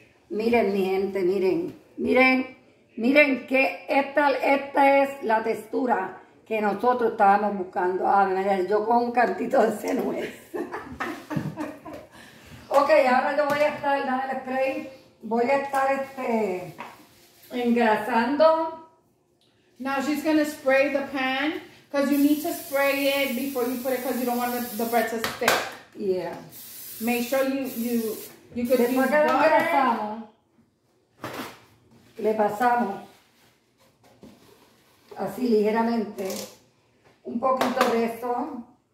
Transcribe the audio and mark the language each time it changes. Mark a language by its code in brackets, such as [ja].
[es] Miren, mi gente, miren. Miren que esta es la textura que nosotros estábamos buscando. Ave María, yo con un cantito de nuez. Ok, ahora yo voy a estar, dame el spray, voy a estar engrasando. [en] Now she's going to spray the pan, because you need to spray it before you put it, because you don't want the bread to stick. Yeah. Make sure you could [es] después [en] use butter. [es] Después que lo engrasamos, le pasamos, así ligeramente, un poquito de esto.